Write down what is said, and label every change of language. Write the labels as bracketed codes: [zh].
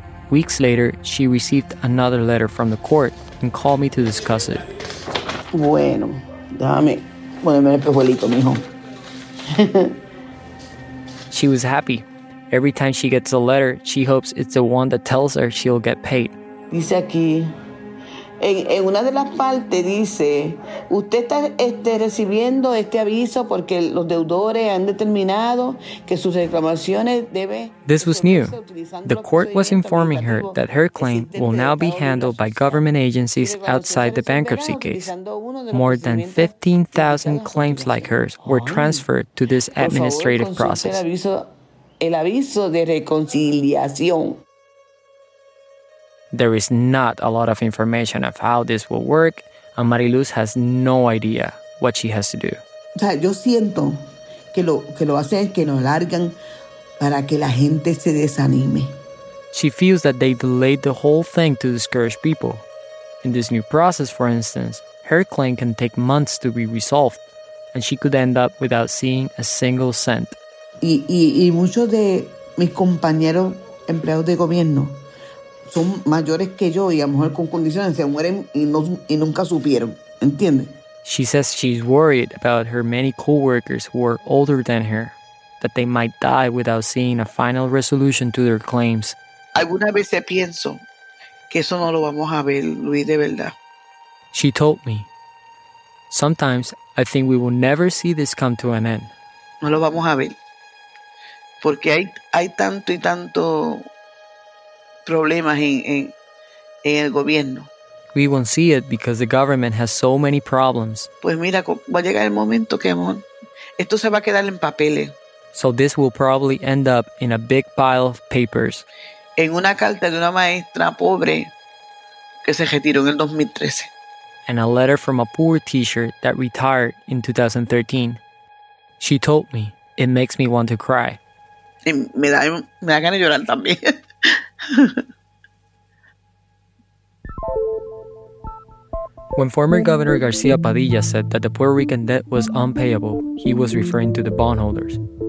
[en] Weeks later, she received another letter from the court and called me to discuss it. [es] Bueno, déjame ponerme el espejuelito, mijo. [en] She was happy. Every time she gets a letter, she hopes it's the one that tells her she'll get paid. [es] Dice aquí, en una de las partes dice, usted está recibiendo este aviso porque los deudores han determinado que sus reclamaciones deben... [en] This was new. The court was informing her that her claim will now be handled by government agencies outside the bankruptcy case. More than 15,000 claims like hers were transferred to this administrative process. [es] El aviso de reconciliación. [en] There is not a lot of information of how this will work, and Mariluz has no idea what she has to do. [es] O sea, yo siento que lo hacen que nos largan para que la gente se desanime. [en] She feels that they delayed the whole thing to discourage people. In this new process, for instance, her claim can take months to be resolved, and she could end up without seeing a single cent. [es] Y muchos de mis compañeros empleados de gobierno son mayores que yo y a lo mejor con condiciones se mueren y nunca supieron, ¿entiende? [en] She says she's worried about her many co-workers who are older than her, that they might die without seeing a final resolution to their claims. [es] Algunas veces pienso que eso no lo vamos a ver, Luis, de verdad. [en] She told me, sometimes I think we will never see this come to an end. [es] No lo vamos a ver. Porque hay tanto y tanto problemas en el gobierno. [en] We won't see it because the government has so many problems. [es] Pues mira, va a llegar el momento que esto se va a quedar en papeles. [en] So this will probably end up in a big pile of papers. [es] En una carta de una maestra pobre que se retiró en el 2013. [en] And a letter from a poor teacher that retired in 2013. She told me, it makes me want to cry. [es] Y me da ganas de llorar también. [en] When former Governor García Padilla said that the Puerto Rican debt was unpayable, he was referring to the bondholders.